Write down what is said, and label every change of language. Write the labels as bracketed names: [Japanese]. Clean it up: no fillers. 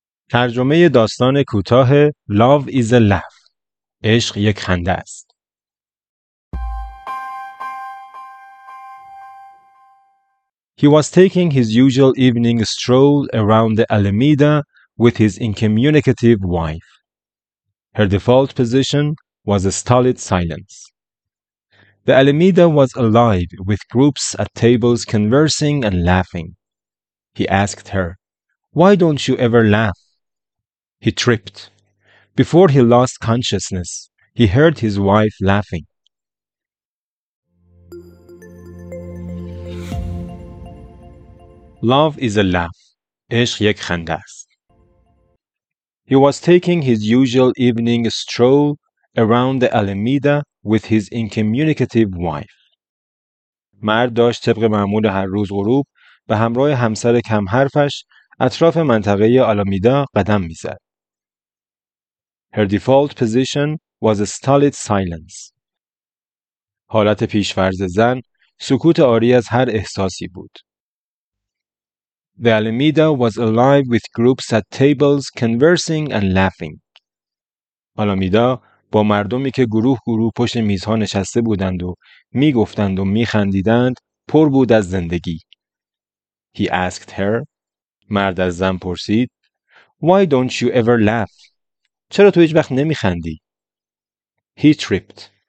[Persian] ترجمه داستان کوتاه [English] Love is a Laugh، [Persian] عشق یک خنده است. [English] He was taking his usual evening stroll around the Alameda with his incommunicative wife. Her default position was a stolid silence. The Alameda was alive with groups at tables conversing and laughing. He asked her, "Why don't you ever laugh?" He tripped. Before he lost consciousness, he heard his wife laughing. Love is a laugh. [Persian] عشق یک خنده است. [English] He was taking his usual evening stroll around the Alameda with his incommunicative wife. [Persian] مرد داشت طبق معمول هر روز غروب به همراه همسر کم حرفش اطراف منطقه آلامیدا قدم می‌زد. [English] Her default position was a stolid silence. [Persian] حالت پیش‌فرض زن سکوت عاری از هر احساسی بود. [English] The Alameda was alive with groups at tables conversing and laughing. [Persian] Alameda با مردمی که گروه گروه پشت میزها نشسته بودند و میگفتند و میخندیدند پر بود از زندگی. [English] He asked her. [Persian] مرد از زن پرسید. [English] Why don't you ever laugh? [Persian] چرا تو هیچ وقت نمیخندی؟ [English] He tripped.